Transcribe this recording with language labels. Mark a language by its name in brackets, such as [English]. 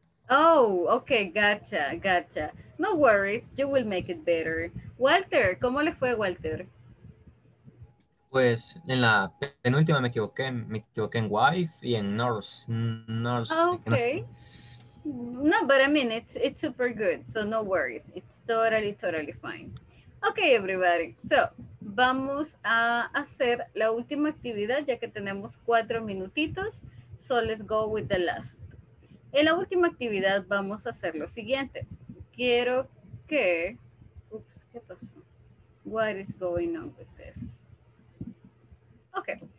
[English] Oh, okay, gotcha, gotcha. No worries, you will make it better. [Spanish] Walter, ¿cómo le fue, Walter? Pues en la penúltima me equivoqué en wife y en nurse. [English] Okay. No, but I mean, it's super good, so no worries. It's totally, totally fine. Okay, everybody. [Spanish] So, vamos a hacer la última actividad, ya que tenemos 4 minutitos. [English] So, let's go with the last. [Spanish] En la última actividad, vamos a hacer lo siguiente. Quiero que... [English] Oops, [Spanish] ¿qué pasó? [English] What is going on with this? Okay.